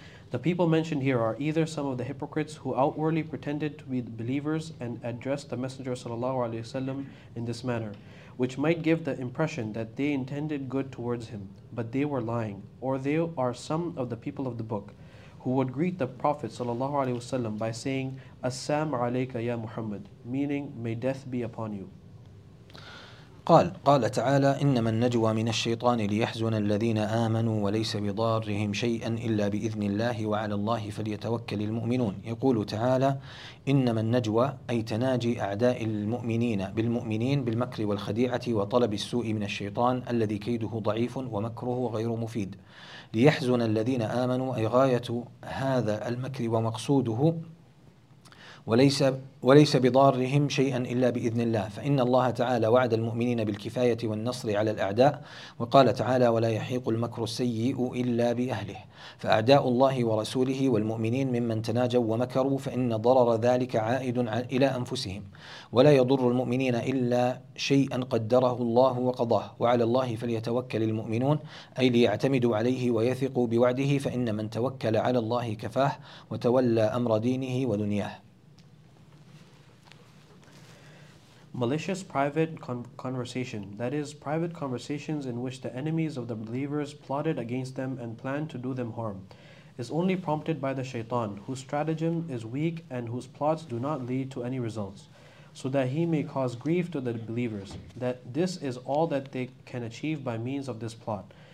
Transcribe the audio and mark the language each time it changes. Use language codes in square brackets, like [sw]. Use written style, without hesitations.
[en] The people mentioned here are either some of the hypocrites who outwardly pretended to be believers and addressed the Messenger sallallahu alaihi wasallam in this manner, which might give the impression that they intended good towards him, but they were lying, or they are some of the people of the book, who would greet the Prophet sallallahu alaihi wasallam by saying, [ar] "Assalamu alayka ya Muhammad," [en] meaning, "May death be upon you." [ar] قال تعالى إنما النجوى من الشيطان ليحزن الذين آمنوا وليس بضارهم شيئا إلا بإذن الله وعلى الله فليتوكل المؤمنون. يقول تعالى إنما النجوى أي تناجي أعداء المؤمنين بالمؤمنين بالمكر والخديعة وطلب السوء من الشيطان الذي كيده ضعيف ومكره غير مفيد. ليحزن الذين آمنوا أي غاية هذا المكر ومقصوده وليس بضارهم شيئا إلا بإذن الله، فإن الله تعالى وعد المؤمنين بالكفاية والنصر على الأعداء، وقال تعالى ولا يحيق المكر السيء إلا بأهله، فأعداء الله ورسوله والمؤمنين ممن تناجوا ومكروا فإن ضرر ذلك عائد إلى أنفسهم، ولا يضر المؤمنين إلا شيئا قدره الله وقضاه، وعلى الله فليتوكل المؤمنون، أي ليعتمدوا عليه ويثقوا بوعده، فإن من توكل على الله كفاه وتولى أمر دينه ودنياه. [en] Malicious private conversation, that is, private conversations in which the enemies of the believers plotted against them and planned to do them harm, is only prompted by the shaitan, whose stratagem is weak and whose plots do not lead to any results, so that he may cause grief to the believers, that this is all that they can achieve by means of this plot.